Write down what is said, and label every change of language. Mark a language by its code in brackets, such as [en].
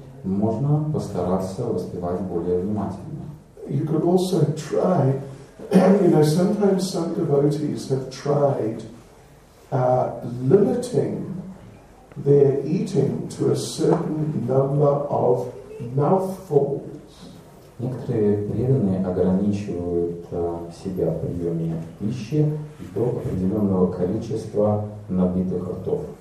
[ru] Можно постараться воспевать более внимательно. [en] You could also try, you know, sometimes some devotees have tried limiting their eating to a certain number of mouthfuls. [ru] Некоторые преданные ограничивают себя в приеме пищи до определенного количества набитых ртов.